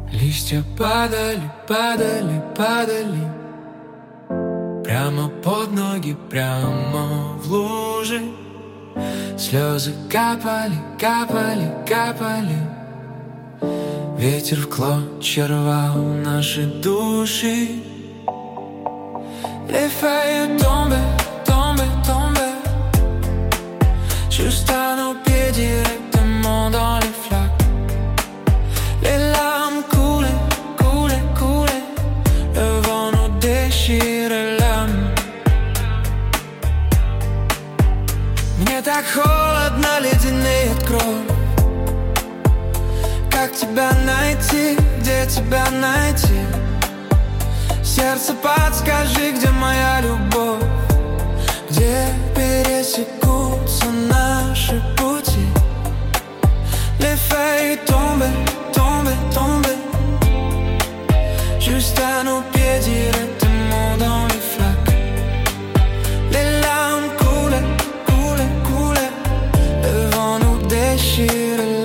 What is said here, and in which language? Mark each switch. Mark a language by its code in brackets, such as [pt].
[ru] все падали, падали, падали прямо под ноги, прямо в лужи. Слезы капали, капали, капали. Ветер в клочья рвал наши души. [fr] Les feuilles tombent, tombent, tombent juste à nos pieds directement dans les flaques. Les larmes coulent, coulent, coulent, le vent nous déchire l'âme. [ru] Мне так холодно, ледяные от крови. Как тебя найти, где тебя найти? Сердце, подскажи, где моя любовь? Где пересекутся наши пути? [fr] Les feuilles tombent, tombent, tombent juste à nos pieds directement dans les flaques. Les larmes coulent, coulent, coulent, le vent nous déchire.